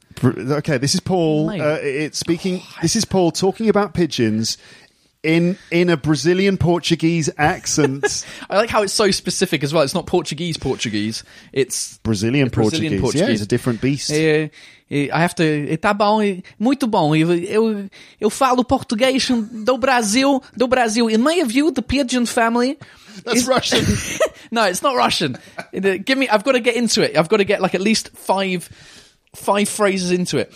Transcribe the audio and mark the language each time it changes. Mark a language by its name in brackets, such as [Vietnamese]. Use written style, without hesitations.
[English] Okay. This is Paul. This is Paul talking about pigeons. In a Brazilian Portuguese accent. I like how it's so specific as well. It's not Portuguese Portuguese. It's Brazilian Portuguese. Yeah, it's a different beast. I have to... [Portuguese] Tá bom, muito bom. Eu falo português do Brasil. [English] In my view, the pigeon family... That's Russian. No, it's not Russian. I've got to get into it. I've got to get like at least five phrases into it.